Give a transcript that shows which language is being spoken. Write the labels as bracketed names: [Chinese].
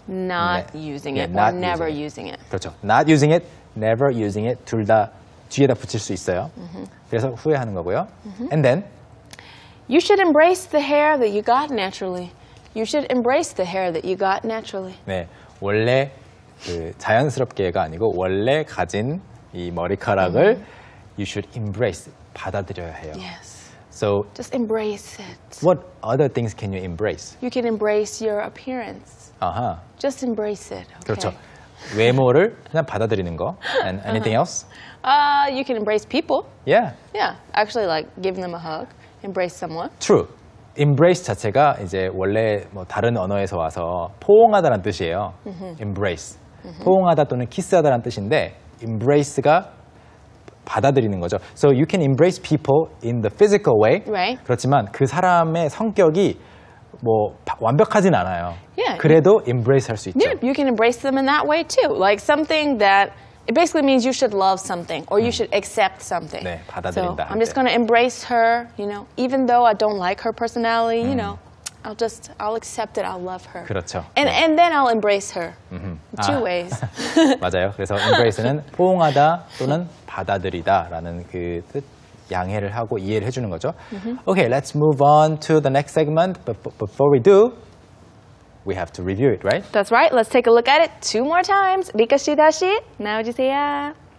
[English] not using it yeah, or never using it. [Korean] 그렇죠. [English] Not using it, never using it. [Korean] 둘 다 뒤에다 붙일 수 있어요. Mm-hmm. 그래서 후회하는 거고요. [English] Mm-hmm. And then? You should embrace the hair that you got naturally. You should embrace the hair that you got naturally. [Korean] 네, 원래 그 자연스럽게가 아니고 원래 가진 이 머리카락을 mm-hmm. [English] you should embrace, [Korean] 받아들여야 해요. [English] Yes. So just embrace it. What other things can you embrace? You can embrace your appearance. Uh-huh. Just embrace it. Okay. [Korean] 그렇죠. 외모를 그냥 받아들이는 거. [English] And anything uh-huh. else? You can embrace people. Yeah. Yeah. Actually, like give them a hug, embrace someone. [Korean] True. Embrace 자체가 이제 원래 뭐 다른 언어에서 와서 포옹하다라는 뜻이에요. Mm-hmm. Embrace. Mm-hmm. 포옹하다 또는 키스하다라는 뜻인데 embrace가 받아들이는 거죠. [English] So you can embrace people in the physical way. Right. [Korean] 그렇지만 그 사람의 성격이 뭐 완벽하진 않아요. [English] Yeah. [Korean] 그래도 embrace 할 수 있죠. [English] Yeah, you can embrace them in that way too. Like something that it basically means you should love something or you should accept something. [Korean] 네, 받아들인다. [English] So, I'm just going to embrace her, you know, even though I don't like her personality, you know. I'll accept it. I'll love her. [Korean] 그렇죠. [English] And 네. and then I'll embrace her. Mm-hmm. Two 아. ways. [Korean] 맞아요. 그래서 embrace는 포옹하다 또는 받아들이다라는 그 뜻 양해를 하고 이해를 해 주는 거죠. Mm-hmm. [English] Okay, let's move on to the next segment. But before we do, we have to review it, right? That's right. Let's take a look at it two more times. [Korean] 리카씨 다시 나와주세요.